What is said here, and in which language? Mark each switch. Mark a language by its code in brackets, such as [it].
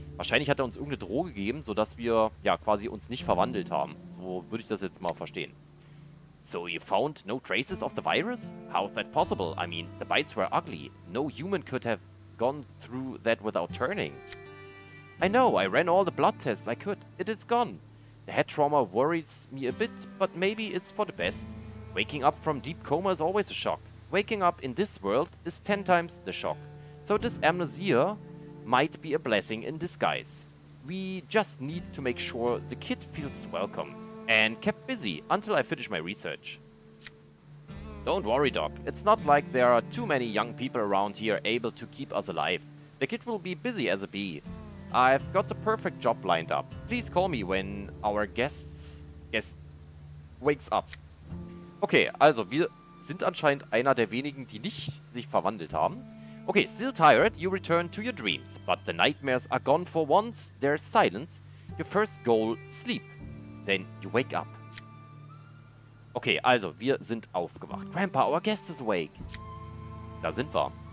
[de] Wahrscheinlich hat er uns irgendeine Droge gegeben, sodass wir, ja, quasi uns nicht verwandelt haben. So würde ich das jetzt mal verstehen. [en] So you found no traces of the virus? How's that possible? I mean, the bites were ugly. No human could have gone through that without turning. I know, I ran all the blood tests I could. It is gone. The head trauma worries me a bit, but maybe it's for the best. Waking up from deep coma is always a shock. Waking up in this world is 10 times the shock. So this amnesia might be a blessing in disguise. We just need to make sure the kid feels welcome. And kept busy until I finish my research. Don't worry, Doc. It's not like there are too many young people around here able to keep us alive. The kid will be busy as a bee. I've got the perfect job lined up. Please call me when our guest wakes up. [de] Okay, also wir sind anscheinend einer der wenigen, die nicht sich verwandelt haben. [en] Okay, still tired, you return to your dreams. But the nightmares are gone for once. There's silence. Your first goal, sleep. Then you wake up. [de] Okay, also, wir sind aufgewacht. [en] Grandpa, our guest is awake. [de] Da sind wir.